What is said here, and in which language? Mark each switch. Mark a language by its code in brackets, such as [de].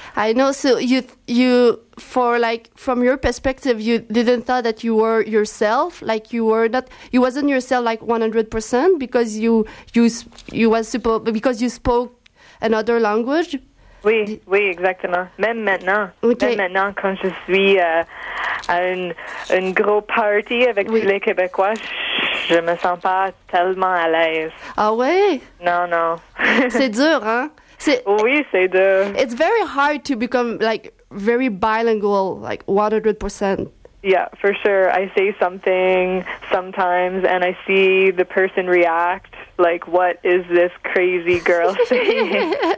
[en] I know. So you for like from your perspective, you didn't thought that you were yourself. Like you were not. You wasn't yourself like 100% because you was supposed because you spoke another language. [fr] Oui, oui, exactement. Même maintenant. Okay. Même maintenant, quand je suis à une gros party avec tous les Québécois, je me sens pas tellement à l'aise. Ah ouais? Non, non. C'est dur, hein? Oui, c'est dur. [en] It's very hard to become, like, very bilingual, like, 100%. Yeah, for sure. I say something sometimes, and I see the person react. Like, what is this crazy girl saying?